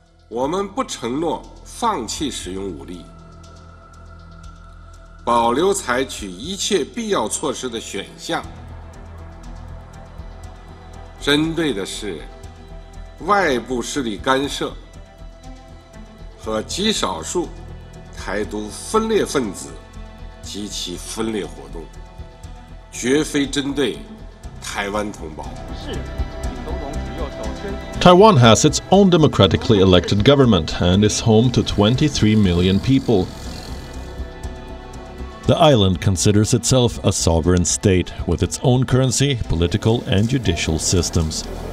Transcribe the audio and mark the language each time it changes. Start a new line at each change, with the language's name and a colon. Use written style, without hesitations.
English: We do not promise to stop using force. We will maintain the choice of all necessary measures. The target is external interference and the few minority.
Chinese: 台独分裂分子及其分裂活动，绝非针对台湾同胞。
English: Taiwan has its own democratically elected government and is home to 23 million people. The island considers itself a sovereign state with its own currency, political and judicial systems.